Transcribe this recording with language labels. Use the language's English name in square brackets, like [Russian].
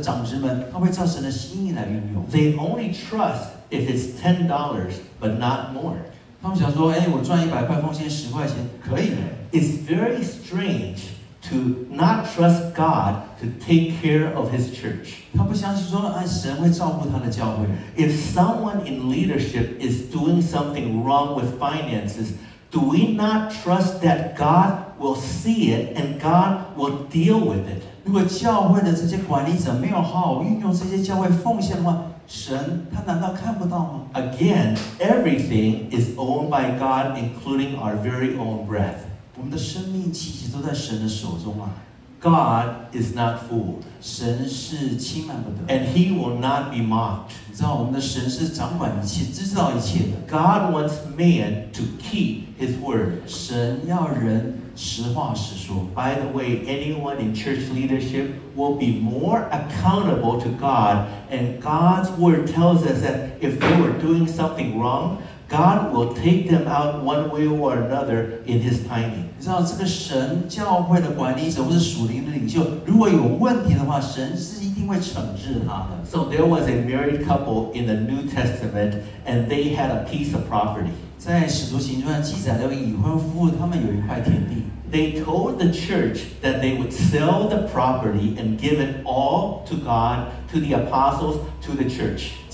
[Chinese] 一个人如果自称说，我相信神的救赎，我相信那位赐永生给我的神，他自称他认识那位神，他也进到认识神的教会里面，他也相信说这个教会会按照神的计划去进行，但是他就不相信说，神的这些的教会的这些长子们，他会照神的心意来运用。 [English] They only trust if it's $10, but not more. [Chinese] 他们想说，哎，我赚100块，奉献10块钱，可以。 [English] It's very strange to not trust God to take care of His church. [Chinese] 他不相信说，哎，神会照顾他的教会。 [English] If someone in leadership is doing something wrong with finances, do we not trust that God will see it and God will deal with it? [Chinese] 如果教会的这些管理者没有好好运用这些教会奉献的话， 神他难道看不到吗? [English] Again, everything is owned by God, including our very own breath. [Chinese] 我们的生命气息都在神的手中啊。 [English] God is not fooled. [Chinese] 神是轻慢不得。 [English] And He will not be mocked. [Chinese] 你知道我们的神是掌管一切，知道一切的。 [English] God wants man to keep His word. [Chinese] 神要人实话实说。 [English] By the way, anyone in church leadership will be more accountable to God. And God's word tells us that if they were doing something wrong, God will take them out one way or another in His timing. [Chinese] 你知道这个神教会的管理者或者属灵的领袖，如果有问题的话，神是一定会惩治他的。 [English] So there was a married couple in the New Testament, and they had a piece of property. [Chinese] 在使徒行传记载的已婚夫妇，他们有一块田地。 [English] They told the church that they would sell the property and give it all to God, to the apostles, to the church.